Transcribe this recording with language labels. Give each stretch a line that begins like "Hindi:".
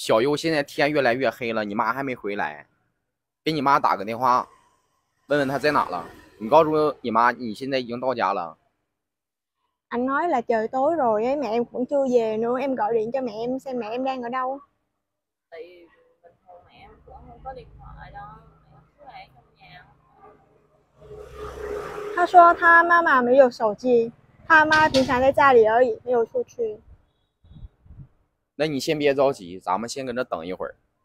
Chinese: 就是阿姨说小优他不是他爸妈亲生的，但是他爸妈很疼他，把家里最好的都给小优。然后小优他说他知道他爸妈很爱他，所以他想出去，然后找工作赚钱，然后回去抚养他爸妈这样。小优的爸爸妈妈不是他亲生爸爸妈妈。是。小优现在天越来越黑了，你妈还没回来。给你妈打个电话，问问她在哪了。你告诉你妈，你现在已经到家了。
Vietnamese: Anh nói là trời tối rồi, mẹ em cũng chưa về nữa. Em gọi điện cho mẹ em xem mẹ em đang ở đâu. Tại vì bình thường mẹ em cũng không có điện thoại đâu, mẹ cứ ở trong nhà.
Chinese: 他说他妈妈没有手机，他妈平常在家里而已，没有出去。那你先别着急，咱们先搁这等一会儿。